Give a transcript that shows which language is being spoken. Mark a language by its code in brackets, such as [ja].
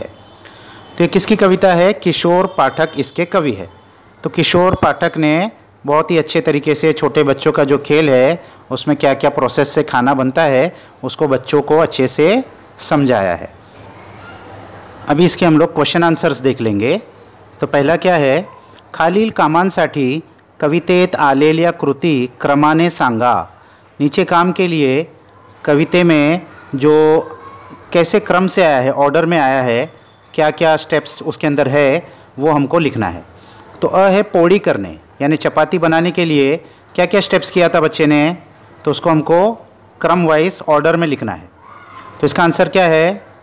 [hi] तो ये किसकी कविता है? किशोर पाठक इसके कवि है। तो किशोर पाठक ने बहुत ही अच्छे तरीके से छोटे बच्चों का जो खेल है उसमें क्या क्या प्रोसेस से खाना बनता है उसको बच्चों को अच्छे से समझाया है। अभी इसके हम लोग क्वेश्चन आंसर्स देख लेंगे। तो पहला क्या है? [mr] खालील कामांसाठी कवितेत आलेल्या कृती क्रमाने सांगा। [hi] नीचे काम के लिए कविते में जो कैसे क्रम से आया है, ऑर्डर में आया है, क्या क्या स्टेप्स उसके अंदर है वो हमको लिखना है। तो अ है पोड़ी करने, यानी चपाती बनाने के लिए क्या क्या स्टेप्स किया था बच्चे ने, तो उसको हमको क्रम वाइज ऑर्डर में लिखना है। तो इसका आंसर क्या है?